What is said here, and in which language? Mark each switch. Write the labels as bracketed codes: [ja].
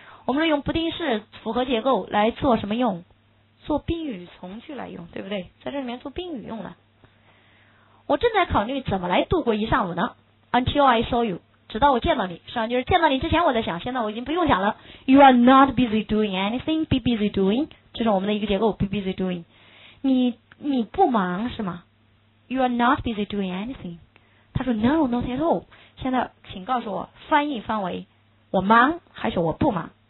[zh] 我们说用不定式复合结构来做什么用？做宾语从句来用，对不对？在这里面做宾语用的。我正在考虑怎么来度过一上午呢？ [en] Until I saw you， [zh] 直到我见到你。实际上就是见到你之前我在想，现在我已经不用想了。 [en] You are not busy doing anything， be busy doing， [zh] 这是我们的一个结构， [en] be busy doing。 [zh] 你不忙是吗？ [en] You are not busy doing anything。 [zh] 他说 [en] No, not at all。 [zh] 现在请告诉我，翻译翻为我忙还是我不忙？